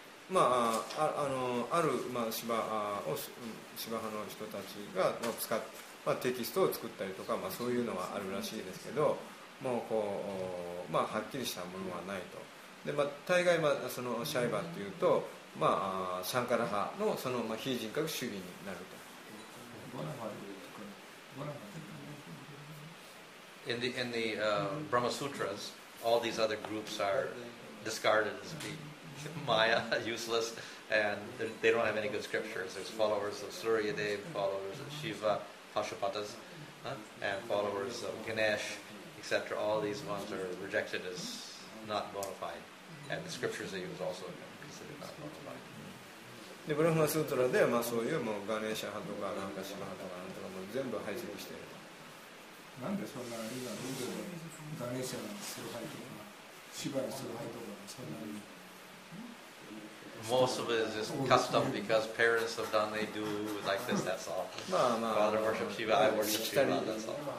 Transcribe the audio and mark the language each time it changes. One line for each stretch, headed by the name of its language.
Japanese: まあ、ある、まあ、芝派の人たちが使っ、まあ、テキストを作ったりとか、まあ、そういうのはあるらしいですけど、もうこう、まあ、はっきりしたものはないと。で、まあ、大概、まあ、そのシャイバっていうと、まあ、シャンカラ派の、その、まあ、非人格主義になると。
English: In the Brahma Sutras, all these other groups are discarded as being. Maya, useless, and they don't have any good scriptures. There's followers of Suryadeva, followers of Shiva, Pashupatas, and followers of Ganesh, etc. All these ones are rejected as not bona fide, and the scriptures they use also considered not bona fide. The Brahma Sutra there,
Japanese: まあそういうもうガネーシャ派とかなんかシヴァ派とかなんとかも全部排除している。なんでそんなリーダーガネーシャの崇拝とかシヴァの崇拝とかそんなに。
English: Most of it is just custom because parents have done, they do like this, that's all. Father worship Shiva, I worship Shiva, that's all.